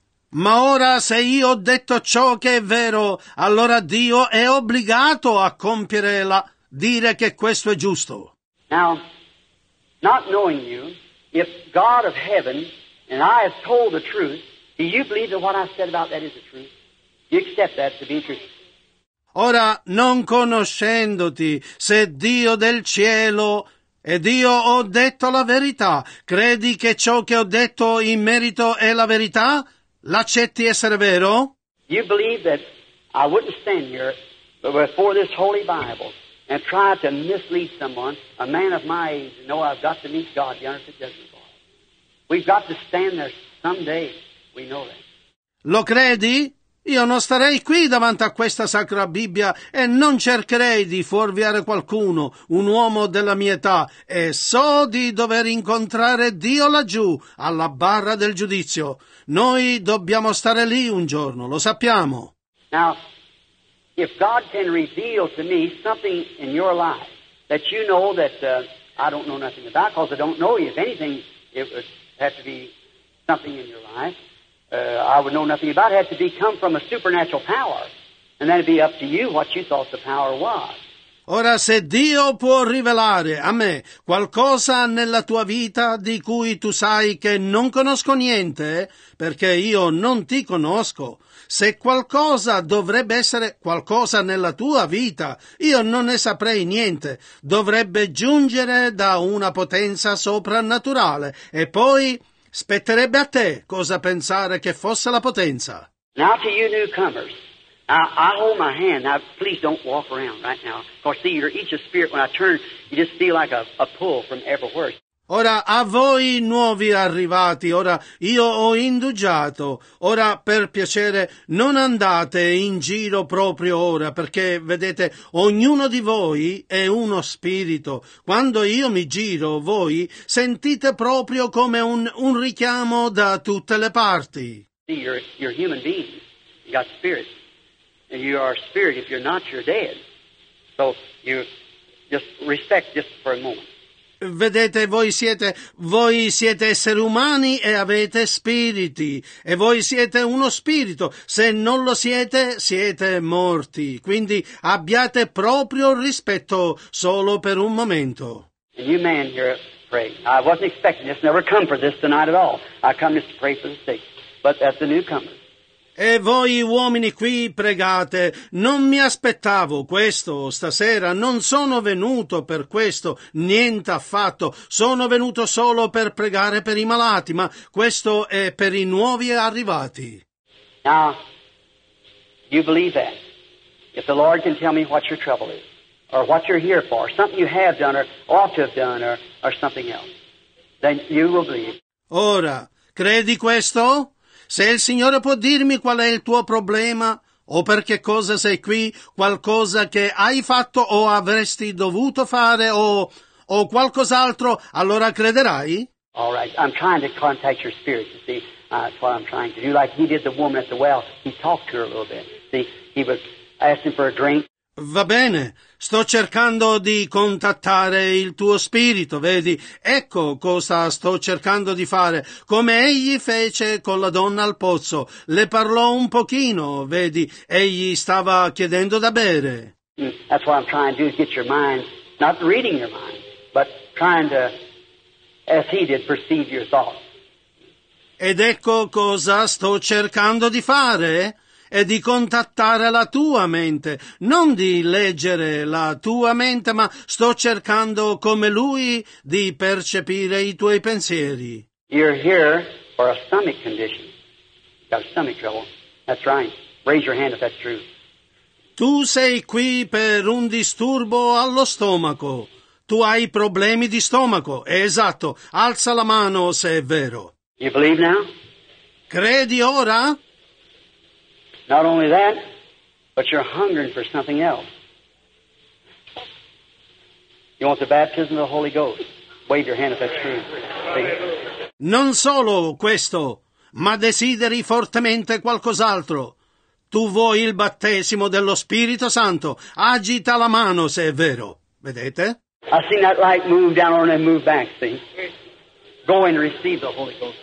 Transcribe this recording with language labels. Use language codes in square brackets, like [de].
[it] Ma ora se io ho detto ciò che è vero, allora Dio è obbligato a compiere la dire che questo è giusto. [en] Now, not knowing you, if God of heaven and I have told the truth, do you believe that what I said about that is the truth? Do you accept that to be true? [it] Ora, non conoscendoti, se Dio del cielo ed io ho detto la verità, credi che ciò che ho detto in merito è la verità? L'accetti essere vero? [en] You believe that I wouldn't stand here before this holy Bible and try to mislead someone, a man of my age, and know I've got to meet God, the unearthly judgment bar. We've got to stand there someday. We know that. [it] Lo credi? Io non starei qui davanti a questa sacra Bibbia e non cercherei di fuorviare qualcuno, un uomo della mia età, e so di dover incontrare Dio laggiù, alla barra del giudizio. Noi dobbiamo stare lì un giorno, lo sappiamo. [en] Now, if God can reveal to me something in your life that you know that I don't know nothing about, because I don't know you, if anything, it would have to be something in your life. I would know nothing about it. It had to be come from a supernatural power, and that'd be up to you what you thought the power was. [it] Ora, se Dio può rivelare a me qualcosa nella tua vita di cui tu sai che non conosco niente, perché io non ti conosco, se qualcosa dovrebbe essere qualcosa nella tua vita, io non ne saprei niente, dovrebbe giungere da una potenza soprannaturale, e poi spetterebbe a te cosa pensare che fosse la potenza. [en] Now to you newcomers. I hold my hand. Now please don't walk around right now. Because see, you're each a spirit. When I turn, you just feel like a pull from everywhere. [it] Ora a voi nuovi arrivati, ora io ho indugiato, ora per piacere non andate in giro proprio ora, perché vedete, ognuno di voi è uno spirito. Quando io mi giro, voi sentite proprio come un richiamo da tutte le parti. [en] You're human being, you got spirit, and you are spirit. If you're not, you're dead. So you just respect just for a moment. [it] Vedete, voi siete esseri umani e avete spiriti, e voi siete uno spirito. Se non lo siete, siete morti. Quindi abbiate proprio rispetto solo per un momento. [en] And you man here pray. I wasn't expecting this, never come for this tonight at all. I come just to pray for the sick, but that's a newcomer. [it] E voi uomini qui pregate, non mi aspettavo questo stasera, non sono venuto per questo, niente affatto, sono venuto solo per pregare per i malati, ma questo è per i nuovi arrivati. [en] Now, you believe that? If the Lord can tell me what your trouble is, or what you're here for, something you have done or ought to have done, or something else, then you will believe. [it] Ora, credi questo? Se il Signore può dirmi qual è il tuo problema, o per che cosa sei qui, qualcosa che hai fatto o avresti dovuto fare, o qualcos'altro, allora crederai? [en] All right, I'm trying to contact your spirit, you see. That's what I'm trying to do. Like he did the woman at the well, he talked to her a little bit. See, he was asking for a drink. [it] Va bene, sto cercando di contattare il tuo spirito, vedi? Ecco cosa sto cercando di fare, come egli fece con la donna al pozzo. Le parlò un pochino, vedi? Egli stava chiedendo da bere. That's what I'm trying to do, get your mind, not reading your mind, but trying to, as he did, perceive your thoughts. Ed ecco cosa sto cercando di fare, e di contattare la tua mente, non di leggere la tua mente, ma sto cercando come lui di percepire i tuoi pensieri. [en] You're here for a stomach condition. You've got a stomach trouble. That's right. Raise your hand if that's true. [it] Tu sei qui per un disturbo allo stomaco. Tu hai problemi di stomaco. È esatto. Alza la mano se è vero. [en] You believe now? [it] Credi ora? [en] Not only that, but you're hungering for something else. You want the baptism of the Holy Ghost. Wave your hand if that's true. See? [it] Non solo questo, ma desideri fortemente qualcos'altro. Tu vuoi il battesimo dello Spirito Santo. Agita la mano se è vero. Vedete? [en] I see that light move down on and move back, see? Go and receive the Holy Ghost.